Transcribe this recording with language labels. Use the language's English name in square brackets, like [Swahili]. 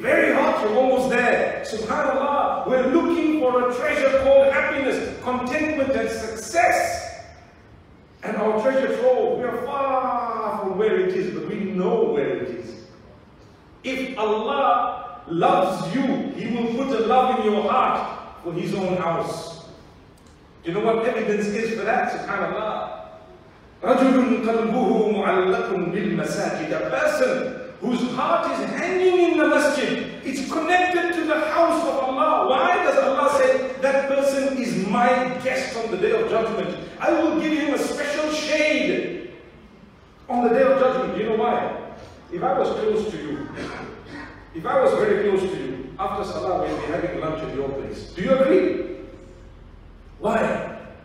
[English] Very hot, you're almost there. SubhanAllah, we're looking for a treasure called happiness, contentment and success. And our treasure trove, we are far from where it is, but we know where it is. If Allah loves you, He will put a love in your heart for His own house. Do you know what evidence is for that? [Arabic] SubhanAllah. رَجُلٌ قَلْبُهُ مُعَلَّقٌ بِالْمَسَاجِدَ. [English] A person whose heart is hanging in the masjid, it's connected to the house of Allah. Why does Allah say, that person is my guest on the day of judgment? I will give him a special shade on the day of judgment. Do you know why? If I was close to you, if I was very close to you, after salah we'll be having lunch at your place. Do you agree? Why?